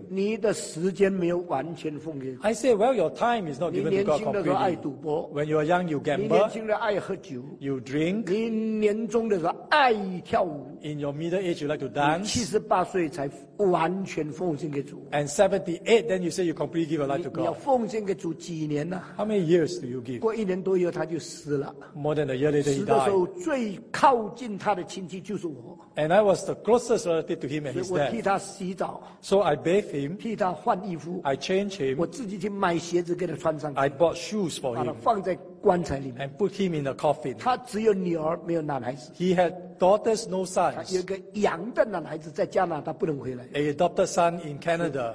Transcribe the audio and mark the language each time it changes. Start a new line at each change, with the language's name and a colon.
Chinese: 你的时间没有完全奉献。
English: I say, "Well, your time is not given to God completely."
Chinese: 你年轻的时候爱赌博。
English: When you are young, you gamble.
Chinese: 你年轻的爱喝酒。
English: You drink.
Chinese: 你年中的时候爱跳舞。
English: In your middle age, you like to dance.
Chinese: 七十八岁才完全奉献给主。
English: And 78, then you say you completely give your life to God.
Chinese: 你要奉献给主几年呢？
English: How many years do you give?
Chinese: 过一年多以后他就死了。
English: More than a year later he died.
Chinese: 死的时候最靠近他的亲戚就是我。
English: And I was the closest relative to him and his dad.
Chinese: 我替他洗澡。
English: So I bathe him.
Chinese: 替他换衣服。
English: I change him.
Chinese: 我自己去买鞋子给他穿上。
English: I bought shoes for him.
Chinese: 把他放在棺材里面。
English: And put him in the coffin.
Chinese: 他只有女儿没有男孩子。
English: He had daughters, no sons.
Chinese: 他有个养的男孩子在加拿大不能回来。
English: A adopted son in Canada.